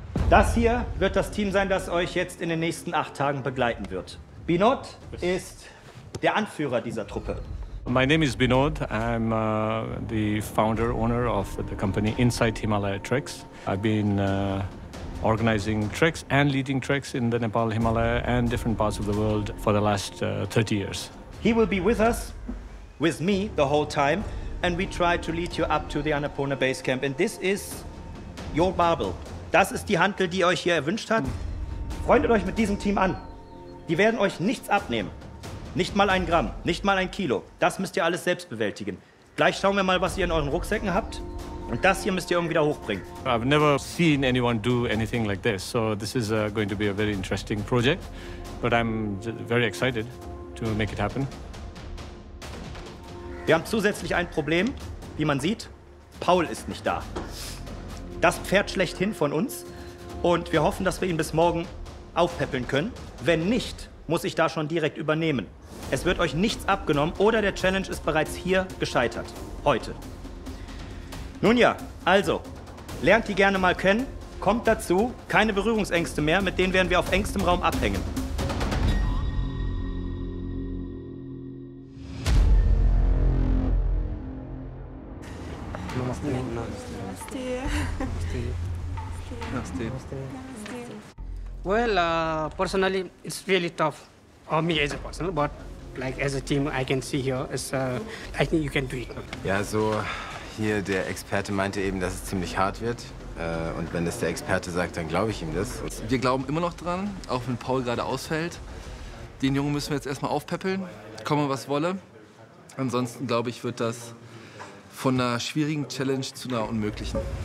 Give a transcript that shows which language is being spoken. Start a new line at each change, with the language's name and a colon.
German: Das hier wird das Team sein, das euch jetzt in den nächsten 8 Tagen begleiten wird. Binod ist der Anführer dieser Truppe.
English: My name is Binod. I'm the founder, owner of the company Inside Himalaya Treks. I've been organizing treks and leading treks in the Nepal Himalaya and different parts of the world for the last 30 years. He will be with us, with me, the whole time, and we try to lead you up to the Annapurna base camp. And this is your Babel.
German: Das ist die Hantel, die euch hier erwünscht hat. Freundet euch mit diesem Team an. Die werden euch nichts abnehmen. Nicht mal ein Gramm, nicht mal ein Kilo. Das müsst ihr alles selbst bewältigen. Gleich schauen wir mal, was ihr in euren Rucksäcken habt. Und das hier müsst ihr irgendwie da hochbringen.
English: I've never seen anyone do anything like this. So this is going to be a very interesting project. But I'm very excited to make it happen.
German: Wir haben zusätzlich ein Problem. Wie man sieht, Paul ist nicht da. Das Pferd schlechthin von uns. Und wir hoffen, dass wir ihn bis morgen aufpäppeln können. Wenn nicht, muss ich da schon direkt übernehmen. Es wird euch nichts abgenommen oder der Challenge ist bereits hier gescheitert. Heute. Nun ja, also, lernt die gerne mal kennen. Kommt dazu, keine Berührungsängste mehr. Mit denen werden wir auf engstem Raum abhängen.
English: Well, personally, it's really tough for me as a person, but like as a team, I can see here, it's, I think you can do it.
German: Ja, so hier der Experte meinte eben, dass es ziemlich hart wird. Und wenn das der Experte sagt, dann glaube ich ihm das. Wir glauben immer noch dran, auch wenn Paul gerade ausfällt. Den Jungen müssen wir jetzt erstmal aufpäppeln, komme was wolle. Ansonsten glaube ich, wird das von einer schwierigen Challenge zu einer unmöglichen.